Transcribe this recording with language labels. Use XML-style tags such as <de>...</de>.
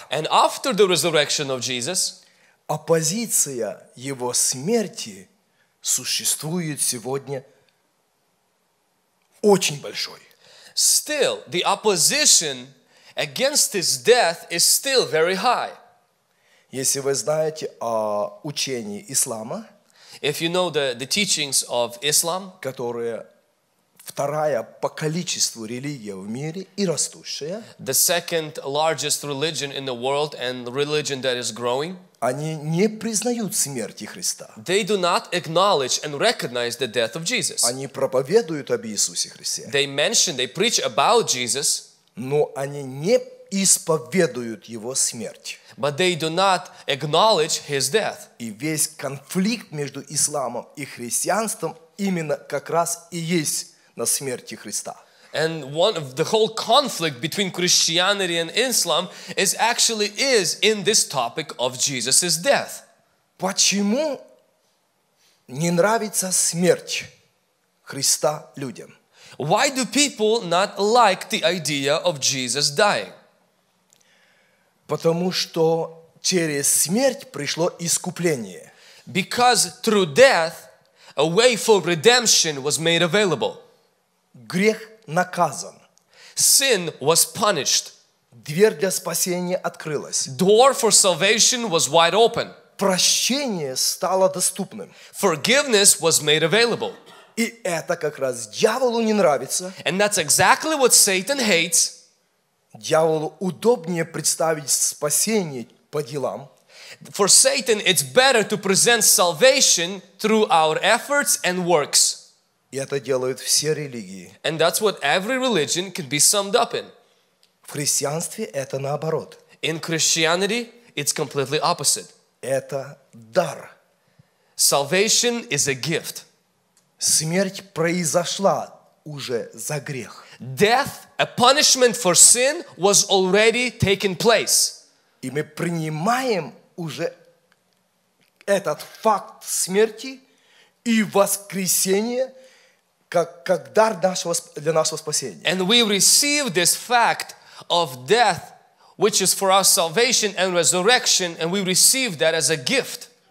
<en>And after the resurrection of Jesus,</en> <ru>оппозиция его смерти существует сегодня очень большой.</ru> <en>Still, the opposition against his death is still very high.</en> <ru>Если вы знаете о учении ислама,</ru> <en>if you know the teachings of Islam,</en> <ru>которые вторая по количеству религия в мире и растущая,</ru> <en>the second largest religion in the world and religion that is growing,</en> <ru>они не признают смерти Христа.</ru> <en>They do not acknowledge and recognize the death of Jesus.</en> <ru>Они проповедуют об Иисусе Христе.</ru> <en>They mention, they preach about Jesus.</en> <ru>Но они не исповедуют его смерть.</ru> <en>But they do not acknowledge his death.</en> <ru>И весь конфликт между исламом и христианством именно как раз и есть на смерти Христа.</ru> <en>And one of the whole conflict between Christianity and Islam is in this topic of Jesus' death.</en> <ru>Почему не нравится смерть Христа людям?</ru> <en>Why do people not like the idea of Jesus dying?</en> <ru>Потому что через смерть пришло искупление.</ru> <en>Because through death, a way for redemption was made available.</en> <ru>Грех наказан.</ru> <en>Sin was punished.</en> <ru>Дверь для спасения открылась.</ru> <en>Door for salvation was wide open.</en> <ru>Прощение стало доступным.</ru> <en>Forgiveness was made available.</en> <ru>И это как раз дьяволу не нравится.</ru> <en>And that's exactly what Satan hates.</en> <ru>Дьяволу удобнее представить спасение по делам.</ru> <en>For Satan, it's better to present salvation through our efforts and works.</en> <ru>И это делают все религии.</ru> <en>And that's what every religion can be summed up in.</en> <ru>В христианстве это наоборот.</ru> <en>In Christianity, it's completely opposite.</en> <ru>Это дар.</ru> <en>Salvation is a gift.</en> <ru>Смерть произошла уже за грех.</ru> <en>Death, a punishment for sin, was already taken place.</en> <ru>И мы принимаем уже этот факт смерти и воскресения как дар нашего, для нашего спасения.</ru> <en>And we receive this fact of death, which is for our salvation and resurrection, and we receive that as a gift.</en>